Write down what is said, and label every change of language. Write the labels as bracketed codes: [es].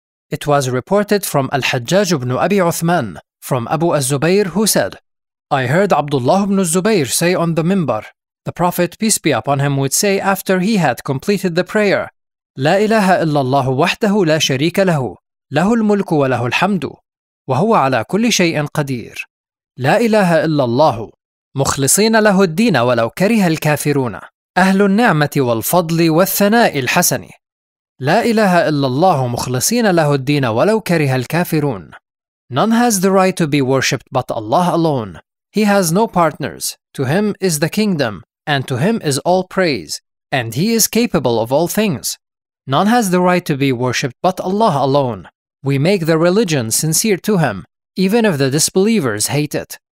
[en] It was reported from Al-Hajjaj ibn Abi Uthman, from Abu al-Zubayr, who said, I heard Abdullah ibn al-Zubayr say on the minbar, the Prophet, peace be upon him, would say after he had completed the prayer, [ar] لا إله إلا الله وحده لا شريك له, له الملك وله الحمد, وهو على كل شيء قدير. لا إله إلا الله, مخلصين له الدين ولو كره الكافرون, أهل النعمة والفضل والثناء الحسن. لا إله إلا الله, مخلصين له الدين ولو كره الكافرون. [en] None has the right to be worshipped but Allah alone. He has no partners. To Him is the kingdom, and to Him is all praise, and He is capable of all things. None has the right to be worshipped but Allah alone. We make the religion sincere to him, even if the disbelievers hate it.